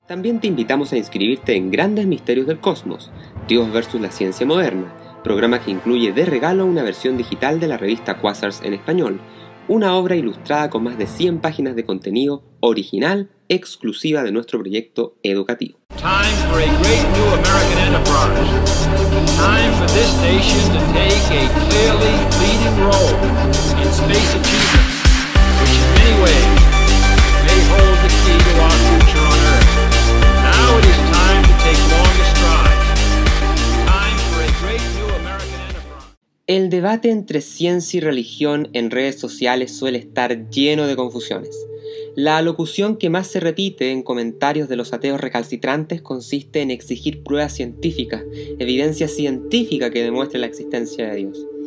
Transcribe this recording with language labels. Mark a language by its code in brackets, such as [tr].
[es] También te invitamos a inscribirte en Grandes Misterios del Cosmos, Dios versus la Ciencia Moderna, programa que incluye de regalo una versión digital de la revista Quasars en español, una obra ilustrada con más de 100 páginas de contenido original, exclusiva de nuestro proyecto educativo. [en] Time for a great new American enterprise. Time for this nation to take a clearly leading role in space achievement, which in many ways may hold the key to our future on Earth. Now it is time to take longer strides. Time for a great new American enterprise. [es] El debate entre ciencia y religión en redes sociales suele estar lleno de confusiones. La alocución que más se repite en comentarios de los ateos recalcitrantes consiste en exigir pruebas científicas, evidencia científica que demuestre la existencia de Dios.